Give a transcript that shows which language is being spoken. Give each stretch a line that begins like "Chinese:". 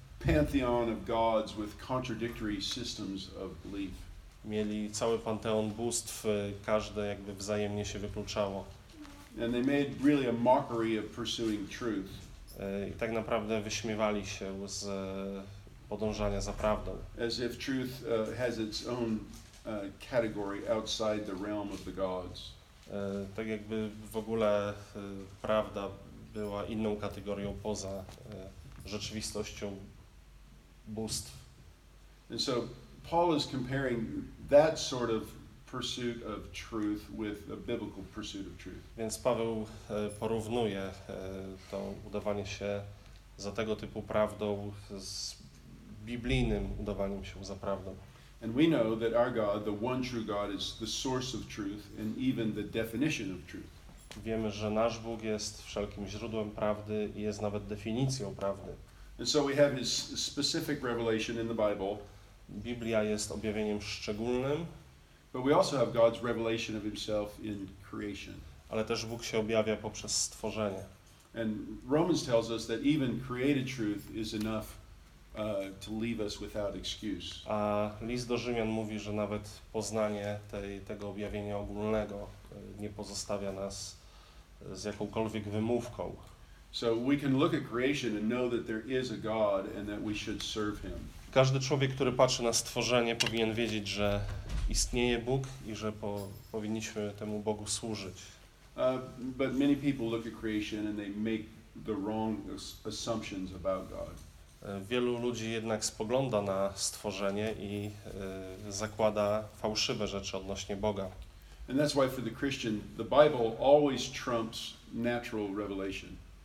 English: A pantheon of gods with contradictory systems of belief.
Polish: Mieli cały panteon bóstw, każde jakby wzajemnie się wykluczało.
English: And they made really a mockery of pursuing truth.
Polish: I tak naprawdę wyśmiewali się z podążania za prawdą.
English: As if truth has its own category outside the realm of the gods.
Polish: Tak jakby w ogóle prawda była inną kategorią poza rzeczywistością bóstw.
English: And so Paul is comparing that sort of pursuit of truth with a biblical pursuit of truth.
Polish: Więc Paweł porównuje to udawanie się za tego typu prawdą z biblijnym udawaniem się za prawdą.
English: And we know that our God, the one true God, is the source of truth and even the definition of truth.
Polish: Wiemy, że nasz Bóg jest wszelkim źródłem prawdy i jest nawet definicją prawdy.
English: And so we have his specific revelation in the Bible.
Polish: Biblia jest objawieniem szczególnym.
English: But we also have God's revelation of himself in creation.
Polish: Ale też Bóg się objawia poprzez stworzenie.
English: And Romans tells us that even created truth is enough to leave us without excuse.
Polish: A list do Rzymian mówi, że nawet poznanie tego objawienia ogólnego nie pozostawia nas z jakąkolwiek wymówką.
English: So we can look at creation and know that there is a God and that we should serve him.
Polish: Każdy człowiek, który patrzy na stworzenie, powinien wiedzieć, że istnieje Bóg i że powinniśmy temu Bogu służyć.
English: But many people look at creation and they make the wrong assumptions about God.
Polish: Wielu ludzi jednak spogląda na stworzenie i zakłada fałszywe rzeczy odnośnie Boga.
English: And that's why for the Christian, the Bible always trumps natural revelation.